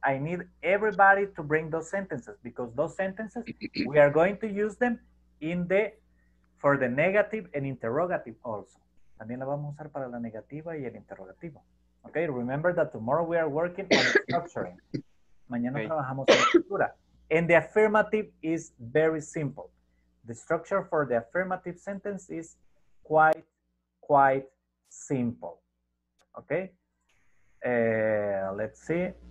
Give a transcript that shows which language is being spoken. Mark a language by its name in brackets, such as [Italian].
[English] I need everybody to bring those sentences, because those sentences, we are going to use them for the negative and interrogative also. [Spanish] También la vamos a usar para la negativa y el interrogativo. [English] Okay, remember that tomorrow we are working on structuring. [Spanish] Mañana trabajamos en estructura. [English] And the affirmative is very simple. The structure for the affirmative sentence is quite simple. Okay? Let's see.